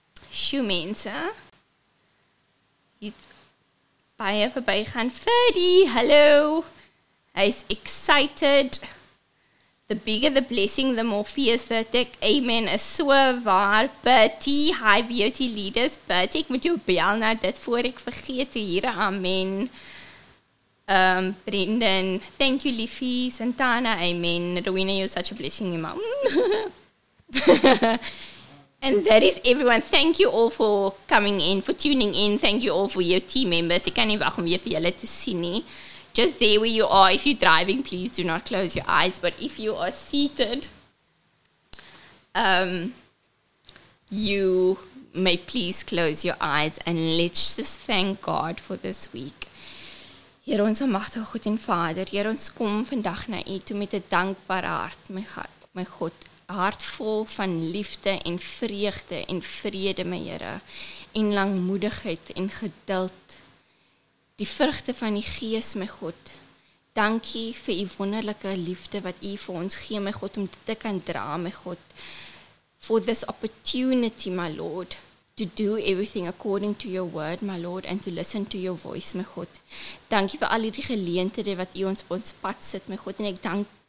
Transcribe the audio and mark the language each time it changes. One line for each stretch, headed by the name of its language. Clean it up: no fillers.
Afrikaans: Sjoe mense. Baie verby gaan. Ferdy, hello. Hy is excited.
English: The bigger the blessing, the more fierce the attack.
Afrikaans: Amen. Is so waar. Bertie,
English: hi beauty leaders.
Afrikaans: Bertie, ek moet jou bel na dit voor ek vergeet te hier.
English: Amen. Brendan, thank you, Liffie. Santana, amen. Rowena, you're such a blessing, you mom. And that is everyone. Thank you all for coming in, for tuning in. Thank you all for your team members.
Afrikaans: Ek kan nie wag om weer vir julle te sien nie.
English: Just there where you are, if you're driving, please do not close your eyes. But if you are seated, you may please close your eyes. And let's just thank God for this week.
Afrikaans: Heer, ons almagtige God en Vader, Heer, ons kom vandag na u toe met 'n dankbare hart, my God. Hart vol van liefde en vreugde en vrede, my Here. En langmoedigheid en geduld. Die vrugte van die Gees, my God. Dankie vir die wonderlike liefde wat U vir ons gee, my God, om dit te kan dra, my God.
English: For this opportunity, my Lord, to do everything according to your word, my Lord, and to listen to your voice, my God.
Afrikaans: Dankie vir al die geleenthede wat U ons op ons pad sit, my God. En ek dank